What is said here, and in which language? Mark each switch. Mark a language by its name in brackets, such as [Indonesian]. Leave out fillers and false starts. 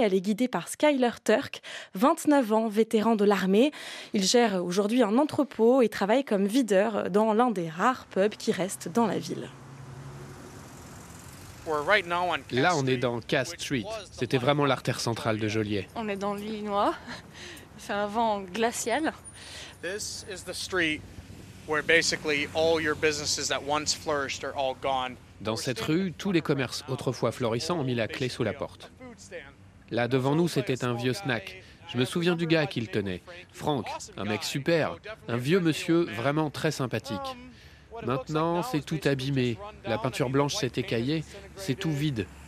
[French] Elle est guidée par Skyler Turk, 29 ans, vétéran de l'armée. Il gère aujourd'hui un entrepôt et travaille comme videur dans l'un des rares pubs qui restent dans la ville. Là, on est dans Cass Street. C'était vraiment l'artère centrale de Joliet. On est dans l'Illinois. C'est un vent glacial. [English] This is the street where basically all your businesses that once flourished are all gone. [French] Dans cette rue, tous les commerces autrefois florissants ont mis la clé sous la porte. Là, devant nous, c'était un vieux snack. Je me souviens du gars qu'il tenait. Frank, un mec super, un vieux monsieur vraiment très sympathique. Maintenant, c'est tout abîmé. La peinture blanche s'est écaillée, c'est tout vide.